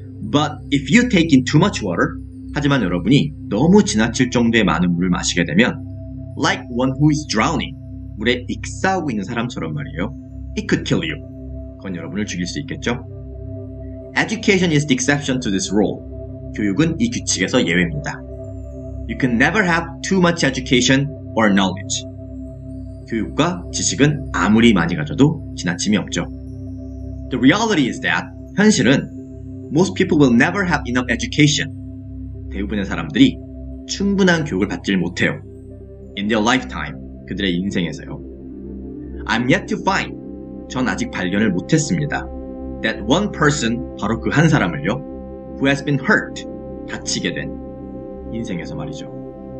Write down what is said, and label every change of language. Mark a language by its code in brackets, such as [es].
[en] But if you take in too much water, [ko] 하지만 여러분이 너무 지나칠 정도의 많은 물을 마시게 되면, [en] like one who is drowning, [ko] 물에 익사하고 있는 사람처럼 말이에요. [en] It could kill you. [ko] 그건 여러분을 죽일 수 있겠죠? [en] Education is the exception to this rule. [ko] 교육은 이 규칙에서 예외입니다. [en] You can never have too much education or knowledge. [ko] 교육과 지식은 아무리 많이 가져도 지나침이 없죠. [en] The reality is that [ko] 현실은 [en] most people will never have enough education. [ko] 대부분의 사람들이 충분한 교육을 받질 못해요. [en] In their lifetime, [ko] 그들의 인생에서요. [en] I'm yet to find, [ko] 전 아직 발견을 못했습니다. [en] That one person, [ko] 바로 그 한 사람을요. [en] Who has been hurt, [ko] 다치게 된 인생에서 말이죠.